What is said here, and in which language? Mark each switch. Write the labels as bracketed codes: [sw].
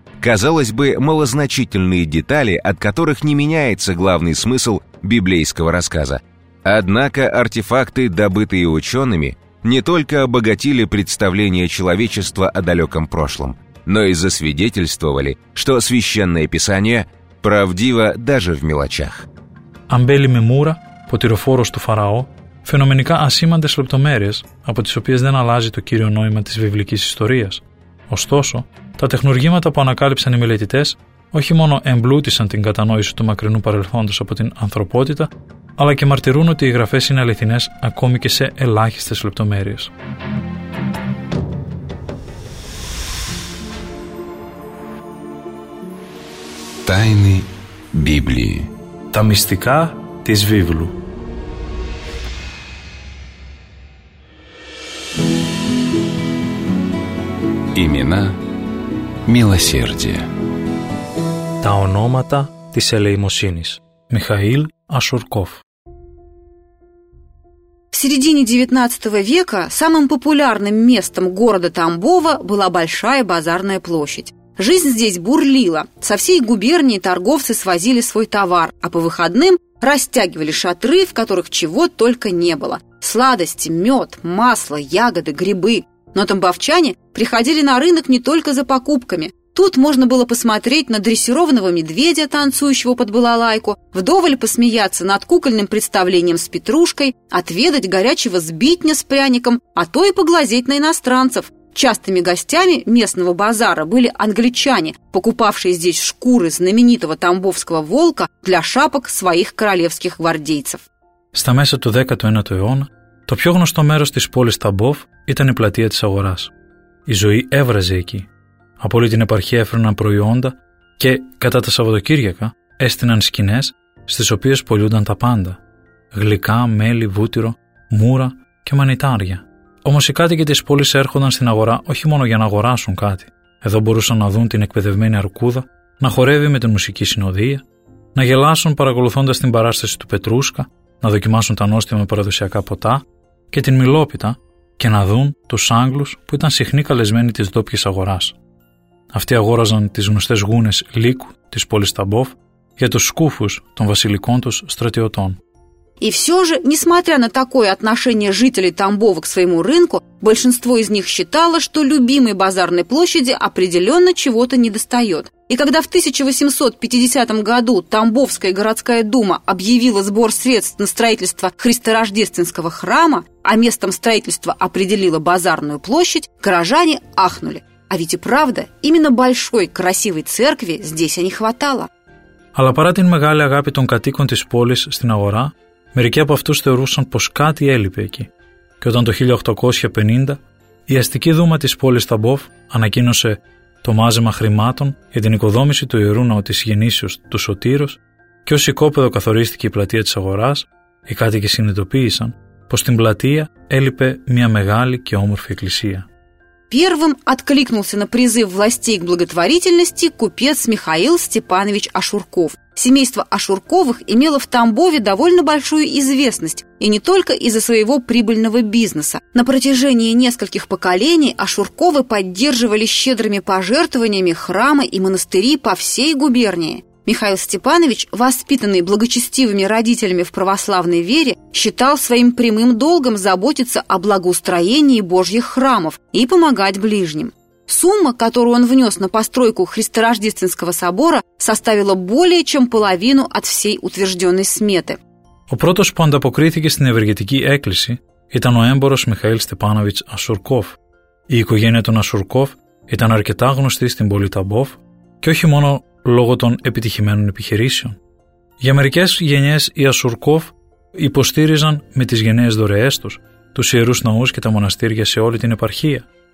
[ru] Казалось бы, малозначительные детали, от которых не меняется главный смысл библейского рассказа. Однако артефакты, добытые учеными, не только обогатили представление человечества о далеком прошлом, но и засвидетельствовали, что священное писание правдиво даже в мелочах. Амбели Мемура, потерофорос ту фараон, [el] φαινομενικά ασήμαντες λεπτομέρειες, από τις οποίες δεν αλλάζει το κύριο νόημα της βιβλικής ιστορίας. Ωστόσο, τα τεχνουργήματα που ανακάλυψαν οι μελετητές όχι μόνο εμπλούτησαν την κατανόηση του μακρινού παρελθόντος από την ανθρωπότητα, αλλά και μαρτυρούν ότι οι γραφές είναι αληθινές ακόμη και σε ελάχιστες λεπτομέρειες. Τάινη Βίβλη. Τα μυστικά της Βίβλου. [ru] Имена милосердия. [el] Τα ονόματα της ελεημοσύνης. [ru] Михаил Ашурков. В середине XIX века самым популярным местом города Тамбова была Большая базарная площадь. Жизнь здесь бурлила. Со всей губернии торговцы свозили свой товар, а по выходным растягивали шатры, в которых чего только не было. Сладости, мед, масло, ягоды, грибы. Но тамбовчане приходили на рынок не только за покупками. Тут можно было посмотреть на дрессированного медведя, танцующего под балалайку, вдоволь посмеяться над кукольным представлением с петрушкой, отведать горячего сбитня с пряником, а то и поглазеть на иностранцев. Частыми гостями местного базара были англичане, покупавшие здесь шкуры знаменитого тамбовского волка для шапок своих королевских гвардейцев. [el] Στα μέσα του 19ου αιώνα, το πιο γνωστό μέρος της πόλης Ταμπόφ ήταν η πλατεία της αγοράς. Η ζωή έβραζε εκεί. Από όλη την επαρχία έφερναν προϊόντα και, κατά τα Σαββατοκύριακα, έστειναν σκηνές στις οποίες πολλούνταν τα πάντα. Γλυκά, μέλι, βούτυρο, μούρα και μανιτάρια. Όμως οι κάτοικοι της πόλης έρχονταν στην αγορά όχι μόνο για να αγοράσουν κάτι. Εδώ μπορούσαν να δουν την εκπαιδευμένη αρκούδα να χορεύει με την μουσική συνοδεία, να γελάσουν παρακολουθώντας την παράσταση του Πετρούσκα, να δοκιμάσουν τα νόστιμα με παραδοσιακά ποτά και την μιλόπιτα και να δουν τους Άγγλους που ήταν συχνοί καλεσμένοι της ντόπιης αγοράς. Αυτοί αγόραζαν τις γνωστές γούνες λύκου της πόλης Ταμπόφ για τους σκούφους των βασιλικών τους στρατιωτών. [ru] И все же, несмотря на такое отношение жителей Тамбова к своему рынку, большинство из них считало, что любимой базарной площади определенно чего-то недостает. И когда в 1850 году Тамбовская городская дума объявила сбор средств на строительство Христорождественского храма, а местом строительства определила базарную площадь, горожане ахнули. А ведь и правда, именно большой красивой церкви здесь и не хватало. [el] Но пара την μεγάλη αγάπη των κατοίκων της πόλης στην αγορά, μερικοί από αυτούς θεωρούσαν πως κάτι έλειπε εκεί. Και όταν το 1850 η αστική δούμα της πόλης Ταμπόφ ανακοίνωσε το μάζεμα χρημάτων για την οικοδόμηση του ιερού ναού της γεννήσεως του Σωτήρος και ως οικόπεδο καθορίστηκε η πλατεία της αγοράς, οι κάτοικοι συνειδητοποίησαν πως στην πλατεία έλειπε μια μεγάλη και όμορφη εκκλησία. [ru] Первым откликнулся на призыв властей к благотворительности купец Михаил Степанович Ашурков. Семейство Ашурковых имело в Тамбове довольно большую известность, и не только из-за своего прибыльного бизнеса. На протяжении нескольких поколений Ашурковы поддерживали щедрыми пожертвованиями храмы и монастыри по всей губернии. Михаил Степанович, воспитанный благочестивыми родителями в православной вере, считал своим прямым долгом заботиться о благоустроении божьих храмов и помогать ближним. Сумма, которую он внес на постройку Христорождественского собора, составила более чем половину от всей утвержденной сметы. [el] Ο πρώτος που ανταποκρίθηκε στην ευεργετική έκκληση ήταν ο έμπορος Михаил Степанович Ашурков. Η οικογένεια των Ашурков ήταν αρκετά γνωστή στην πόλη Ταμπόφ και όχι μόνο λόγω των επιτυχημένων επιχειρήσεων. Για μερικές γενιές οι Ασουρκόφ υποστήριζαν με τις γενναίες δωρεές τους, τους ιερούς ναούς και τα μοναστήρια σε όλη την επαρχία.